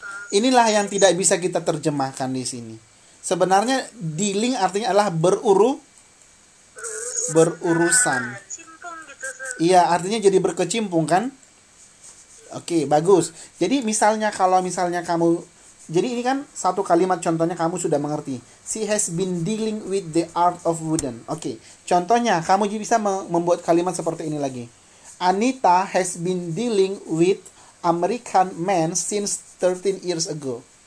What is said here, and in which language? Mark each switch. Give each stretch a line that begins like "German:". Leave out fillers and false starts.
Indonesian: Inilah yang tidak bisa kita terjemahkan di sini. Sebenarnya dealing artinya adalah berurusan. Iya, artinya jadi berkecimpung kan? Oke, bagus. Jadi misalnya kalau misalnya kamu, jadi ini kan satu kalimat contohnya kamu sudah mengerti.
English: She has been dealing with the art of wooden.
Indonesian: Oke, contohnya kamu bisa membuat kalimat seperti ini lagi.
English: Anita has been dealing with American men since 13 years ago.